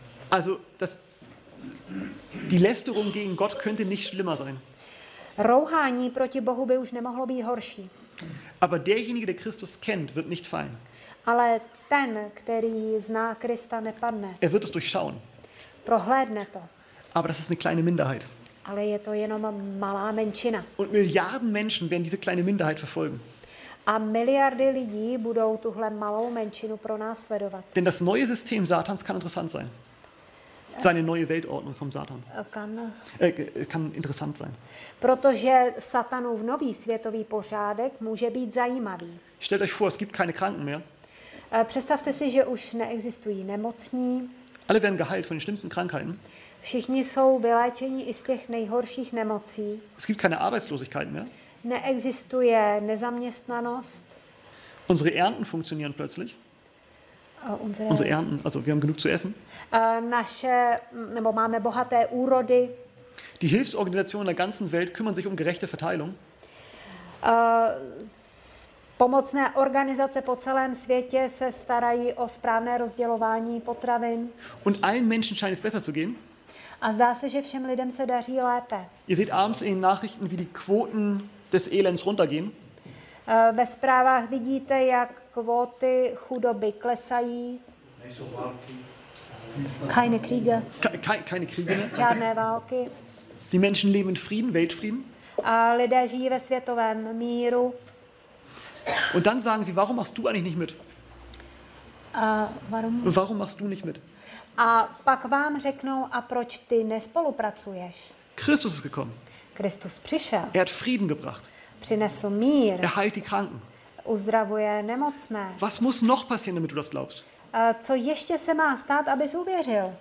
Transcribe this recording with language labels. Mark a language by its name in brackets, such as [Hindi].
[German] Also das die Lästerung gegen Gott könnte nicht schlimmer sein. [Czech] Rouhání proti Bohu by už nemohlo být horší. [German] Aber derjenige, der Christus kennt, wird nicht fallen. [Czech] Ale ten, který zná Krista, nepadne. [German] Er wird es durchschauen. [Czech] Prohlédne to. [German] Aber das ist eine kleine Minderheit. [Czech] Ale je to jenom malá menšina. [German] Und Milliarden Menschen werden diese kleine Minderheit verfolgen. [Czech] A miliardy lidí budou tuhle malou menšinu pronásledovat. [German] Denn das neue System Satans kann interessant sein. Seine neue Weltordnung vom Satan. Kann interessant sein. [Czech] Protože Satanův nový světový pořádek může být zajímavý. [German] Stellt euch vor, es gibt keine Kranken mehr. [Czech] Představte si, že už neexistují nemocní. [German] Alle werden geheilt von den schlimmsten Krankheiten. [Czech] Všichni jsou vyléčeni i z těch nejhorších nemocí. [German] Es gibt keine Arbeitslosigkeit mehr. [Czech] Neexistuje nezaměstnanost. [German] Unsere Ernten funktionieren plötzlich. Unsere Ernten, also wir haben genug zu essen. [Czech] Naše, nebo máme bohaté úrody. [German] Die Hilfsorganisationen der ganzen Welt kümmern sich um gerechte Verteilung. [Czech] Pomocné organizace po celém světě se starají o správné rozdělování potravin. [German] Und allen Menschen scheint es besser zu gehen. [Czech] A zdá se, že všem lidem se daří lépe. [German] Ihr seht abends in den Nachrichten, wie die Quoten des Elends runtergehen. [Czech] Ve zprávách vidíte, jak kvóty chudoby klesají. [German] Keine Kriege. Keine Kriege. [Czech] Žádné války. [German] Die Menschen leben in Frieden, Weltfrieden. [Czech] A lidé žijí ve světovém míru. [German] Und dann sagen sie, warum machst du eigentlich nicht mit? Warum machst du nicht mit? [Czech] A pak vám řeknou, a proč ty nespolupracuješ? [German] Christus ist gekommen. [Czech] Kristus přišel. [German] Er hat Frieden gebracht. [Czech] Přinesl mír. [German] Er heilt die Kranken. [Czech] Uzdravuje nemocné. [German] Was muss noch passieren, damit du das glaubst? [Czech] Co ještě se má stát, abys uvěřil?